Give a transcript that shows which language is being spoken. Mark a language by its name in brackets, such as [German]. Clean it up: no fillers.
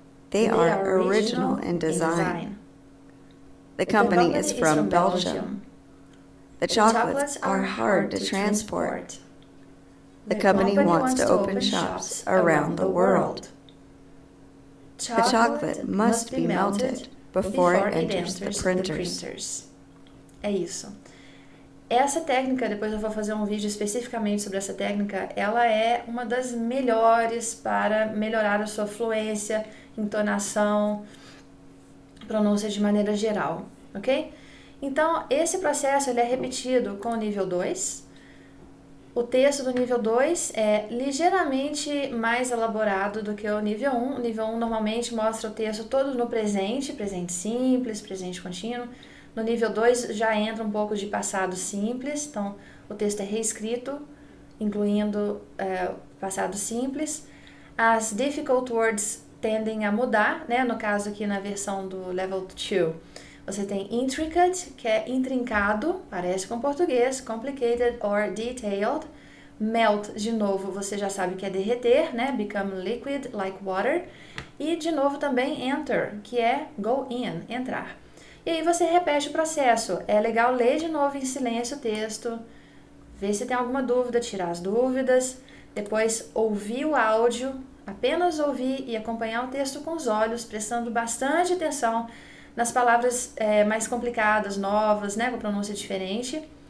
[English] They are original in design. The company is from Belgium. The chocolates are hard to transport. The company wants to open shops around the world. The chocolate must be melted before it enters the printers. [Portuguese] É isso. Essa técnica, depois eu vou fazer um vídeo especificamente sobre essa técnica, ela é uma das melhores para melhorar a sua fluência, entonação, pronúncia de maneira geral, ok? Então, esse processo ele é repetido com o nível 2. O texto do nível 2 é ligeiramente mais elaborado do que o nível 1. O nível 1 normalmente mostra o texto todo no presente, presente simples, presente contínuo. No nível 2 já entra um pouco de passado simples, então o texto é reescrito, incluindo passado simples. As [English] difficult words [Portuguese] tendem a mudar, né? No caso aqui na versão do level 2, você tem intricate, que é intrincado, parece com português, [English] complicated or detailed. [Portuguese] Melt, de novo, você já sabe que é derreter, né? [English] Become liquid, like water. [Portuguese] E de novo também enter, que é [English] go in, [Portuguese] entrar. E aí você repete o processo. É legal ler de novo em silêncio o texto, ver se tem alguma dúvida, tirar as dúvidas, depois ouvir o áudio, apenas ouvir e acompanhar o texto com os olhos, prestando bastante atenção nas palavras mais complicadas, novas, né, com pronúncia diferente.